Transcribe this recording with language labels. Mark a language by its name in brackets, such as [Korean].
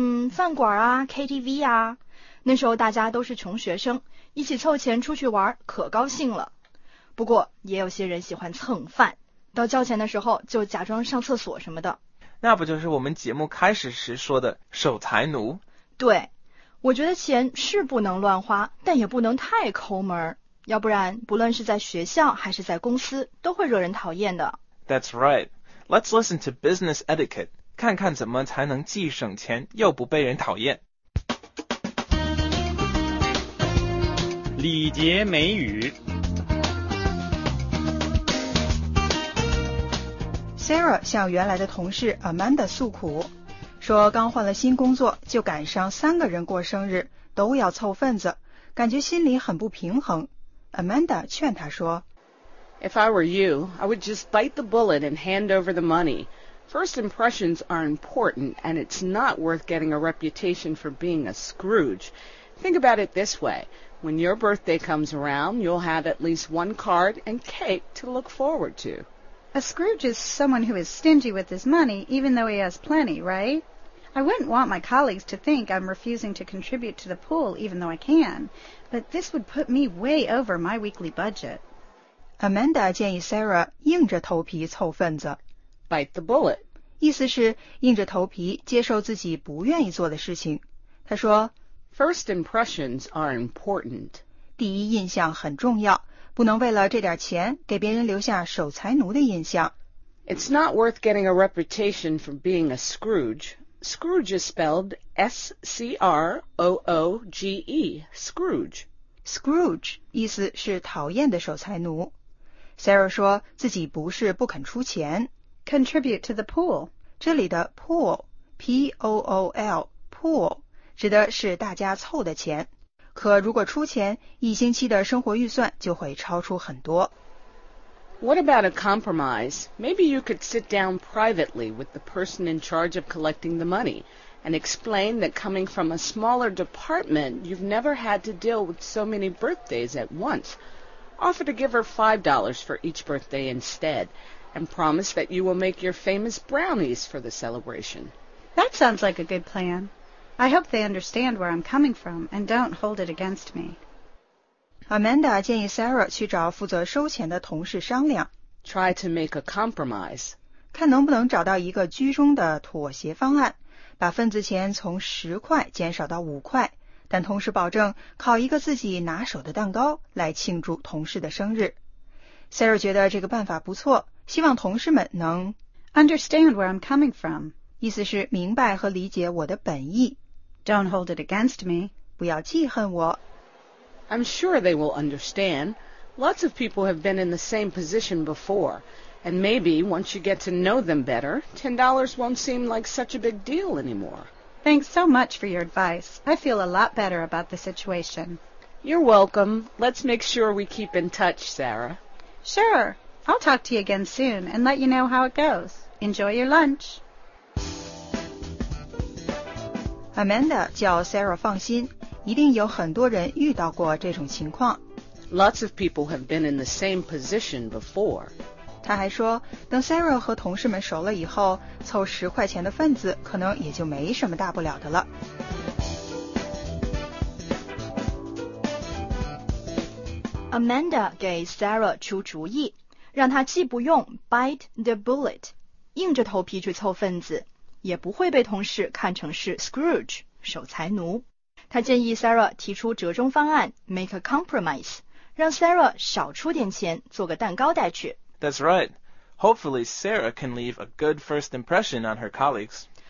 [Chinese] 饭馆啊 ,KTV 啊。那时候大家都是穷学生一起凑钱出去玩可高兴了。不过也有些人喜欢蹭饭到交钱的时候就假装上厕所什么的。那不就是我们节目开始时说的守财奴。对我觉得钱是不能乱花但也不能太抠门。要不然不论是在学校还是在公司都会惹人讨厌的。 [English] That's right. Let's listen to business etiquette, [Chinese] 看看怎么才能既省钱又不被人讨厌。礼节美语。 Sarah 向原来的同事 Amanda 诉苦，说刚换了新工作就赶上三个人过生日，都要凑份子，感觉心里很不平衡。 Amanda 劝她说 [English] If I were you, I would just bite the bullet and hand over the money. First impressions are important, and it's not worth getting a reputation for being a Scrooge. Think about it this way. When your birthday comes around, you'll have at least one card and cake to look forward to. A Scrooge is someone who is stingy with his money, even though he has plenty, right? I wouldn't want my colleagues to think I'm refusing to contribute to the pool, even though I can. But this would put me way over my weekly budget. [Chinese] Amanda 建议 Sarah 硬着头皮凑份子。 [English] Bite the bullet. [Chinese] 意思是硬着头皮接受自己不愿意做的事情。她说 [English] First impressions are important. [Chinese] 第一印象很重要，不能为了这点钱给别人留下守财奴的印象。 [English] It's not worth getting a reputation for being a Scrooge. Scrooge is spelled S-C-R-O-O-G-E, Scrooge. [Chinese] Scrooge 意思是讨厌的守财奴。Sarah 说自己不是不肯出钱。 [English] Contribute to the pool. [Chinese] 这里的 pool, P-O-O-L, pool, 指的是大家凑的钱。可如果出钱,一星期的生活预算就会超出很多。 [English] What about a compromise? Maybe you could sit down privately with the person in charge of collecting the money and explain that coming from a smaller department, you've never had to deal with so many birthdays at once. Offer to give her $5 for each birthday instead and promise that you will make your famous brownies for the celebration. That sounds like a good plan. I hope they understand where I'm coming from and don't hold it against me. [Chinese] Amanda 建议 Sarah 去找负责收钱的同事商量。 [English] Try to make a compromise. [Chinese] 看能不能找到一个居中的妥协方案，把份子钱从10块减少到5块，但同时保证烤一个自己拿手的蛋糕来庆祝同事的生日。 Sarah 觉得这个办法不错，希望同事们能 [English] Understand where I'm coming from， [Chinese] 意思是明白和理解我的本意。 [English] Don't hold it against me， [Chinese] 不要记恨我。 [English] I'm sure they will understand. Lots of people have been in the same position before, and maybe once you get to know them better, $10 won't seem like such a big deal anymore. Thanks so much for your advice. I feel a lot better about the situation. You're welcome. Let's make sure we keep in touch, Sarah. Sure. I'll talk to you again soon and let you know how it goes. Enjoy your lunch. [Chinese] Amanda 叫 Sarah 放心，一定有很多人遇到过这种情况。 [English] Lots of people have been in the same position before. [Chinese] 她还说，等 Sarah 和同事们熟了以后，凑十块钱的份子可能也就没什么大不了的了。 Amanda 给 Sarah 出主意，让她既不用 [English] bite the bullet， [Chinese] 硬着头皮去凑份子，也不会被同事看成是 Scrooge， 守财奴。她建议 Sarah 提出折中方案 ， [English] make a compromise， [Chinese] 让 Sarah 少出点钱，做个蛋糕带去。 [English] That's right. Hopefully Sarah can leave a good first impression on her colleagues.